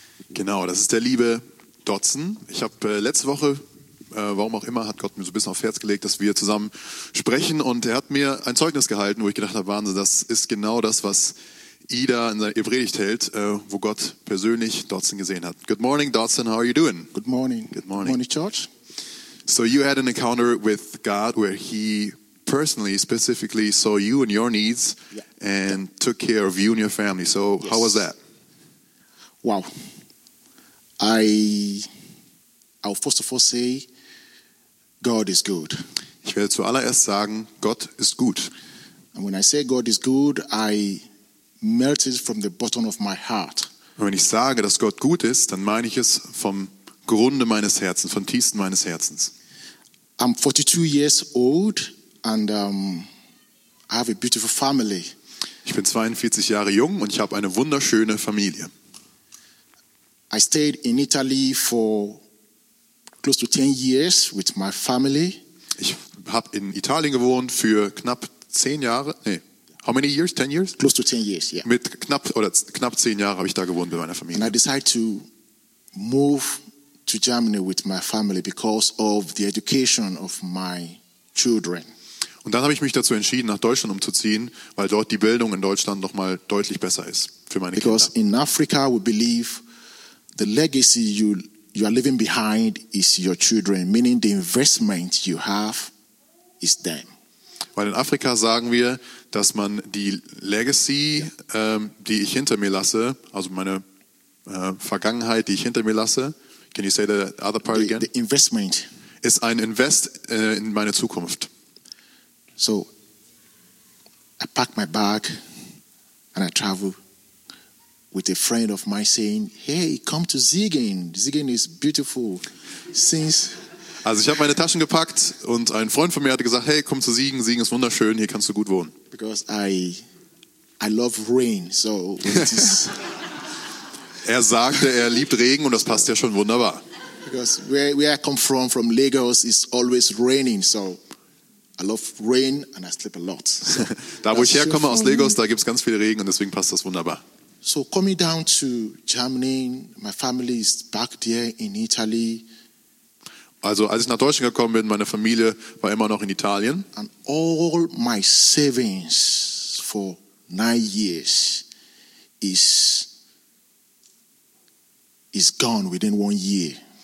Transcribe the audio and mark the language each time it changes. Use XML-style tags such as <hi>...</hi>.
<de>Genau, das ist der liebe Dotson. Ich habe letzte Woche, warum auch immer, hat Gott mir so ein bisschen aufs Herz gelegt, dass wir zusammen sprechen und er hat mir ein Zeugnis gehalten, wo ich gedacht habe, Wahnsinn, das ist genau das, was Ida in seiner Predigt hält, wo Gott persönlich Dotson gesehen hat.</de> <en>Good morning, Dotson, how are you doing? Good morning. Good morning. Good morning, George. So you had an encounter with God where he personally, specifically saw you and your needs and took care of you and your family. So how was that? Wow. I'll first of all say, God is good.</en> <de>Ich werde zuallererst sagen, Gott ist gut.</de> <en>And when I say God is good, I melt it from the bottom of my heart.</en> <de>Und wenn ich sage, dass Gott gut ist, dann meine ich es vom Grunde meines Herzens, vom Tiefsten meines Herzens.</de> <en>I'm 42 years old and I have a beautiful family.</en> <de>Ich bin 42 Jahre jung und ich habe eine wunderschöne Familie.</de> <en>I stayed in Italy for close to 10 years with my family.</en> <de>Ich habe in Italien gewohnt für knapp 10 Jahre.</de> <en>How many years? 10 years? Close to 10 years, yeah.</en> <de>Mit knapp 10 Jahre habe ich da gewohnt mit meiner Familie.</de> <en>And I decided to move to Germany with my family because of the education of my children.</en> <de>Und dann habe ich mich dazu entschieden, nach Deutschland umzuziehen, weil dort die Bildung in Deutschland noch mal deutlich besser ist für meine</de> <en>because</en> <de>Kinder.</de> <en>Because in Africa we believe the legacy you are leaving behind is your children, meaning the investment you have is them.</en> <de>Weil in Afrika sagen wir, dass man die Legacy, die ich hinter mir lasse, also meine Vergangenheit, die ich hinter mir lasse,</de> <en>can you say the other part again? The investment.</en> <de>Ist ein Invest in meine Zukunft.</de> <en>So, I pack my bag and I travel with a friend of mine saying, hey, come to Siegen. Siegen is beautiful. Since</en> <de>Also ich habe meine Taschen gepackt und ein Freund von mir hatte gesagt, hey, komm zu Siegen. Siegen ist wunderschön, hier kannst du gut wohnen.</de> <en>Because I love rain, so it is.</en> <de>Er sagte, er liebt Regen und das passt ja schon wunderbar.</de> <en>Because where I come from Lagos, it's always raining, so I love rain and I sleep a lot. So,</en> <de>da wo ich herkomme aus Lagos, da gibt's ganz viel Regen und deswegen passt das wunderbar.</de> <en>So coming down to Germany, my family is back there in Italy.</en> <de>Also als ich nach Deutschland gekommen bin, meine Familie war immer noch in Italien.</de> <en>And all my savings for 9 years is gone within 1 year.</en>